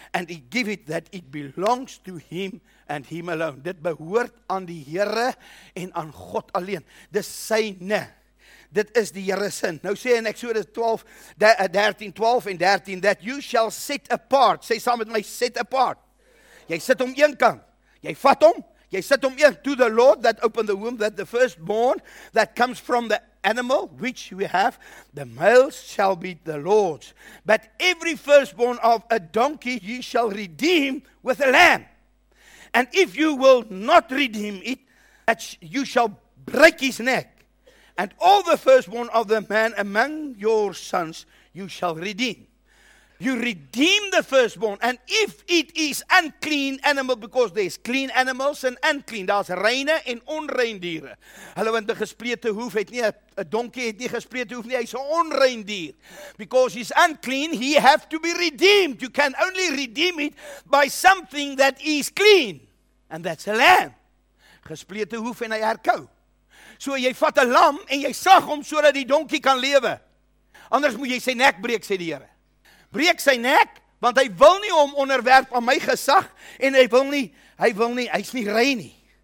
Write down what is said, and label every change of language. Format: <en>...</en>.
<en>And he give it that it belongs to him and him alone.</en> <af>Dit behoort aan die Here en aan God alleen. Dis syne. Dit is die Here se. Nou sê in Exodus 13:12-13,</af> <en>that you shall set apart.</en> <af>Sê saam met my,</af> <en>set apart.</en> <af>Jy sit hom een kant. Jy vat hom, jy sit hom een,</af> <en>to the Lord that opened the womb, that the firstborn that comes from the animal which we have, the males shall be the Lord's. But every firstborn of a donkey ye shall redeem with a lamb. And if you will not redeem it, that you shall break his neck. And all the firstborn of the man among your sons you shall redeem. You redeem the firstborn, and if it is unclean animal, because there's clean animals and unclean,</en> <af>daar's reine en onrein diere. Hulle het 'n gesplete hoef, het nie 'n donkie het nie gesplete hoef nie, hy's 'n onrein dier.</af> <en>Because he's unclean, he have to be redeemed. You can only redeem it by something that is clean, and that's a lamb.</en> <af>Gesplete hoef en hy herkou. So jy vat 'n lam en jy sag hom sodat die donkie kan lewe. Anders moet jy sy nek breek, sê die Here. Breek sy nek, want hy wil nie hom onderwerp aan my gesag, en hy wil nie, hy's nie rein nie.</af>